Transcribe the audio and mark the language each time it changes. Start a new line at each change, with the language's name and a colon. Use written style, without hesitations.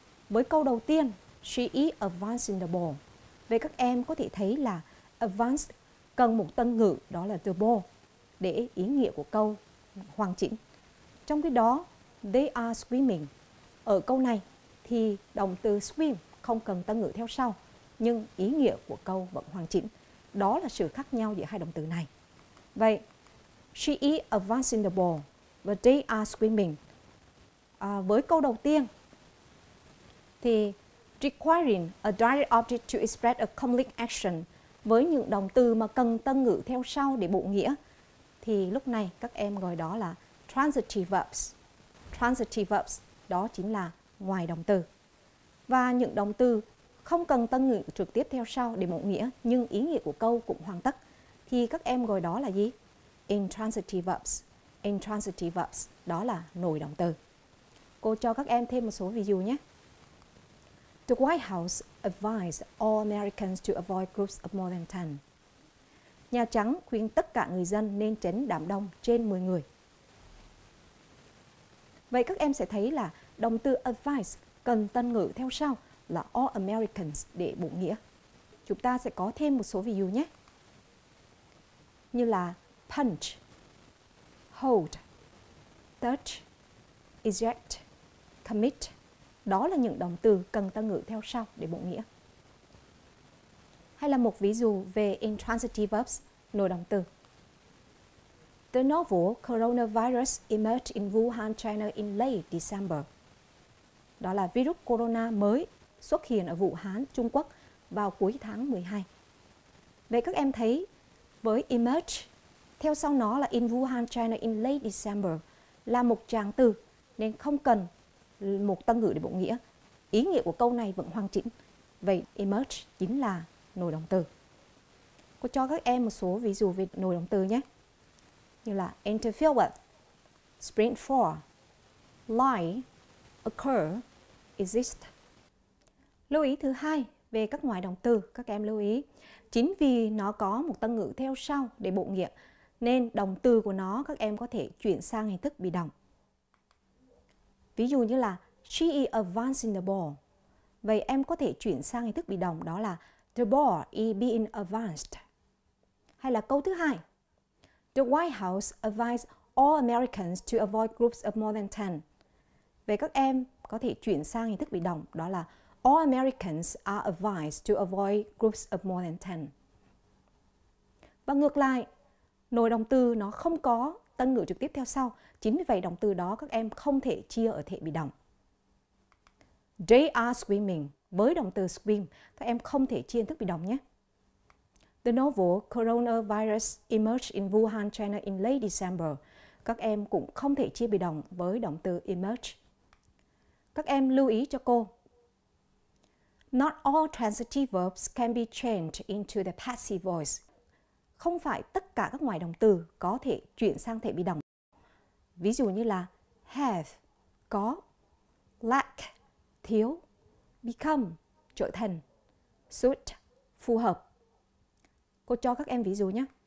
Vietnamese: Với câu đầu tiên,
English: she is advancing the ball.
Vietnamese: Vậy các em có thể thấy là advanced cần một tân ngữ, đó là
English: the ball,
Vietnamese: để ý nghĩa của câu hoàn chỉnh. Trong khi đó,
English: they are swimming.
Vietnamese: Ở câu này thì động từ swim không cần tân ngữ theo sau, nhưng ý nghĩa của câu vẫn hoàn chỉnh. Đó là sự khác nhau giữa hai động từ này. Vậy,
English: she is advancing the ball
Vietnamese: và
English: they are swimming.
Vietnamese: À, với câu đầu tiên, thì
English: requiring a direct object to express a complete action,
Vietnamese: với những động từ mà cần tân ngữ theo sau để bổ nghĩa, thì lúc này các em gọi đó là transitive verbs. Transitive verbs đó chính là ngoài động từ. Và những động từ không cần tân ngữ trực tiếp theo sau để bổ nghĩa nhưng ý nghĩa của câu cũng hoàn tất thì các em gọi đó là gì? Intransitive verbs. Intransitive verbs đó là nội động từ. Cô cho các em thêm một số ví dụ nhé.
English: The White House advised all Americans to avoid groups of more than 10.
Vietnamese: Nhà Trắng khuyên tất cả người dân nên tránh đám đông trên 10 người. Vậy các em sẽ thấy là động từ advise cần tân ngữ theo sau là
English: all Americans
Vietnamese: để bổ nghĩa. Chúng ta sẽ có thêm một số ví dụ nhé. Như là punch, hold, touch, eject, commit. Đó là những động từ cần tân ngữ theo sau để bổ nghĩa. Hay là một ví dụ về intransitive verbs, nội động từ.
English: The novel coronavirus emerged in Wuhan, China in late December.
Vietnamese: Đó là virus corona mới xuất hiện ở Vũ Hán, Trung Quốc vào cuối tháng 12. Vậy các em thấy với emerge, theo sau nó là
English: in Wuhan, China in late December,
Vietnamese: là một tràng từ nên không cần một tân ngữ để bổ nghĩa. Ý nghĩa của câu này vẫn hoàn chỉnh. Vậy emerge chính là nồi động từ. Cô cho các em một số ví dụ về nồi động từ nhé. Như là interfere with, sprint for, lie, occur, exist. Lưu ý thứ hai về các ngoại động từ, các em lưu ý. Chính vì nó có một tân ngữ theo sau để bổ nghĩa, nên động từ của nó các em có thể chuyển sang hình thức bị động. Ví dụ như là
English: she is advancing the ball.
Vietnamese: Vậy em có thể chuyển sang hình thức bị động đó là
English: the ball is being advanced.
Vietnamese: Hay là câu thứ hai.
English: The White House advised all Americans to avoid groups of more than 10.
Vietnamese: Vậy các em có thể chuyển sang hình thức bị động đó là
English: all Americans are advised to avoid groups of more than 10.
Vietnamese: Và ngược lại, nồi động từ nó không có tân ngữ trực tiếp theo sau. Chính vì vậy động từ đó các em không thể chia ở thể bị động.
English: They are screaming.
Vietnamese: Với động từ scream, các em không thể chia hình thức bị động nhé.
English: The novel coronavirus emerged in Wuhan, China in late December.
Vietnamese: Các em cũng không thể chia bị động với động từ emerge. Các em lưu ý cho cô.
English: Not all transitive verbs can be changed into the passive voice.
Vietnamese: Không phải tất cả các ngoại động từ có thể chuyển sang thể bị động. Ví dụ như là have, có, lack, thiếu, become, trở thành, suit, phù hợp. Cô cho các em ví dụ nhé.